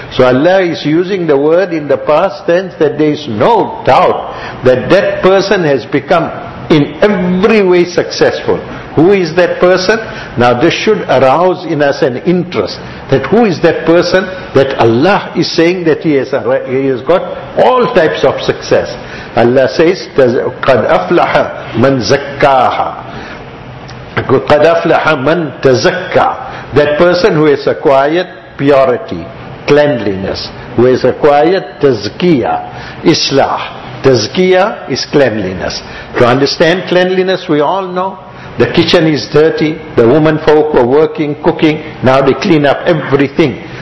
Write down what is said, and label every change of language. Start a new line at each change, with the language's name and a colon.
English: So Allah is using the word in the past tense that there is no doubt that person has become in every way successful. Who is that person? Now this should arouse in us an interest that who is that person that Allah is saying that he has got all types of success. Allah says,
Arabic: قَدْ أَفْلَحَ مَنْ زَكَّاهَا قَدْ أَفْلَحَ مَنْ تَزَكَّى.
English: That person who has acquired purity, cleanliness, who has acquired tazkiyah, islah. Tazkiyah is cleanliness. To understand cleanliness, we all know the kitchen is dirty, the women folk were working, cooking, now they clean up everything.